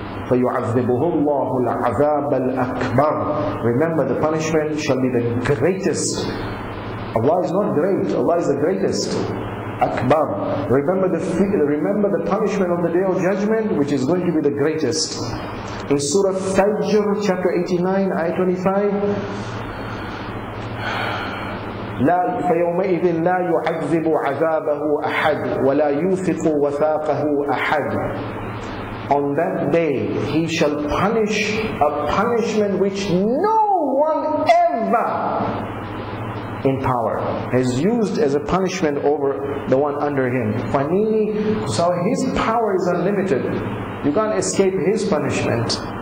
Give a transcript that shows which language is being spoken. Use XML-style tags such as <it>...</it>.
<ar>فَيُعَذِّبُهُ اللَّهُ الْعَذَابَ الْأَكْبَرُ.</ar> <en>Remember, the punishment shall be the greatest. Allah is not great, Allah is the greatest. Akbar. Remember the punishment of the Day of Judgment, which is going to be the greatest. In Surah Fajr, chapter 89, ayah 25,</en> <ar>فَيَوْمَئِذٍ لَا يُعَذِّبُ عَذَابَهُ أَحَدٌ وَلَا يُوثِقُ وَثَاقَهُ أَحَدٌ.</ar> <en>On that day, he shall punish a punishment which no one ever in power has used as a punishment over the one under him. So his power is unlimited. You can't escape his punishment.</en>